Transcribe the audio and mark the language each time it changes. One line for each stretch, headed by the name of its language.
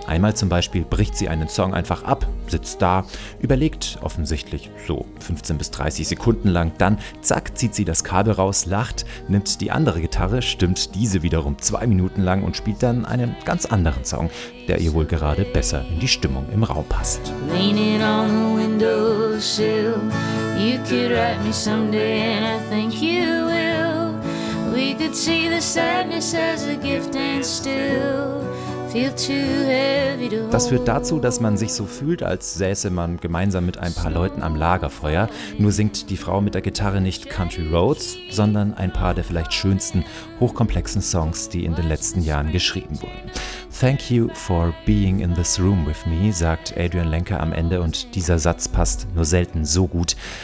German: Einmal zum Beispiel bricht sie einen Song einfach ab, sitzt da, überlegt offensichtlich so 15 bis 30 Sekunden lang, dann zack zieht sie das Kabel raus, lacht, nimmt die andere Gitarre, stimmt diese wiederum 2 Minuten lang und spielt dann einen ganz anderen Song, der ihr wohl gerade besser in die Stimmung im Raum passt.
English: Leaning on the windowsill, you could write me someday and I think you. We could see the sadness as a gift and still feel too heavy to hold.
German: Das führt dazu, dass man sich so fühlt, als säße man gemeinsam mit ein paar Leuten am Lagerfeuer. Nur singt die Frau mit der Gitarre nicht Country Roads, sondern ein paar der vielleicht schönsten, hochkomplexen Songs, die in den letzten Jahren geschrieben wurden.
English: Thank you for being in this room with me,
German: sagt Adrian Lenker am Ende, und dieser Satz passt nur selten so gut.